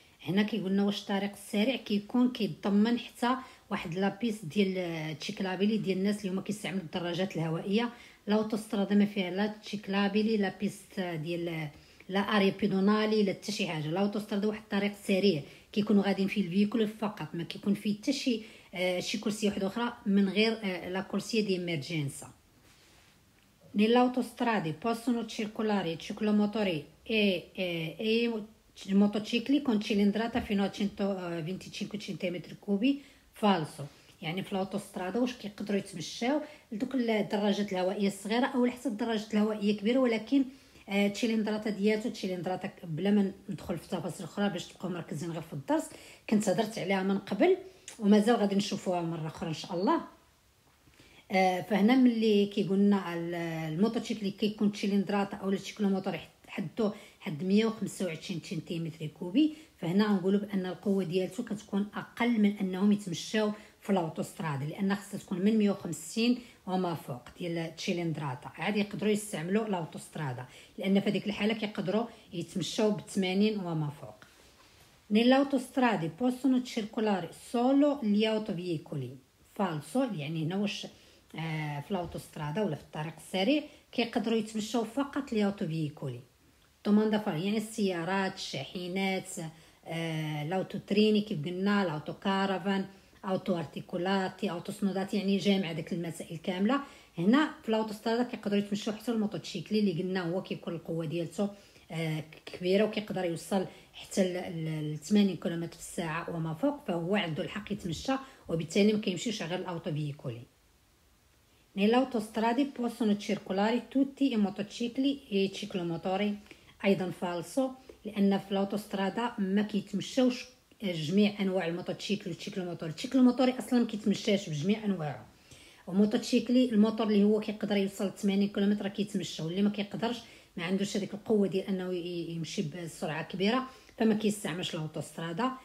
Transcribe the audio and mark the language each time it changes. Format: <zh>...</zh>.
<ar>هنا كيقولنا واش الطريق السريع كيكون كيضمن حتى واحد لابيس ديال تشيكلابيلي ديال الناس اللي هما كيستعملوا الدراجات الهوائية. الأوتوسترادا ما فيها لا تشيكلابيلي لا بيست ديال لا اري بيدونالي لا حتى شي حاجة. الأوتوسترادا واحد الطريق سريع كيكونوا غاديين فيه الفيكول فقط، ما كيكون فيه حتى شي كرسي واحدة أخرى من غير لا كرسي ديال إمرجنسا.</ar> <it>Nell'autostrada possono circolare ciclomotori e motocicli con cilindrata fino a 125 centimetri cubi. Falso.</it> <ar>يعني في الاوتوسترادا واش كيقدروا يتمشاو لدوك الدراجات الهوائيه الصغيره او حتى الدراجات الهوائيه الكبيره، ولكن تشيلندراتا دياتو تشيلندراتا. بلا ما ندخل في تفاصيل اخرى باش تبقاو مركزين غير في الدرس، كنت هضرت عليها من قبل ومازال غادي نشوفوها مره اخرى ان شاء الله. فهنا ملي كيقولنا الموتوشيكل كيكون تشيلندراتا او التشيكلوموتور حدو حد 125 سنتيمتر كوبي، فهنا نقولوا بان القوه ديالته كتكون اقل من انهم يتمشاو في الاوتوستراد، لان خاصها تكون من 150 وما فوق ديال التشيلندراتا عاد يقدروا يستعملوا الاوتوستراد، لان في هذيك الحاله كيقدروا يتمشاو ب 80 وما فوق.</ar> <it>نيلاوتوستراد possono circolare solo gli autoveicoli.</it> <ar>فالسو، يعني هنا واش في الاوتوسترادا ولا في الطريق السريع كيقدروا يتمشاو فقط لي اوتو فيكولي. دوماندا فال، يعني السيارات الشاحنات لاوتو تريني كيف قلنا، لاوتو كارافان، اوتو ارتيكولاتي، اوتو سنودات، يعني جامع داك المسائل كامله. هنا في الاوتوسترادا كيقدروا يتمشاو حتى الموتوشيكلي اللي قلنا هو كيكون القوه ديالته كبيره وكيقدر يوصل حتى ل 80 كيلومتر في الساعه وما فوق، فهو عنده الحق يتمشى وبالتالي ما كيمشيش غير الاوتو فيكولي.</ar> <it>Nell'autostrada possono circolare tutti i motocicli e i ciclomotori.</it> <ar>ايضا فالسو، لان في الاوتوستراد ما كيتمشاوش جميع انواع الموتوشيكل والتشيكلوموتور. التشيكلوموتوري اصلا ما كيتمشاش بجميع انواعه، وموتوشيكلي الموتور اللي هو كيقدر يوصل 80 كيلومتر كيتمشى، واللي ما كيقدرش ما عندوش هذيك القوه ديال انه يمشي بسرعه كبيره فما كيستعملش الاوتوستراد.</ar>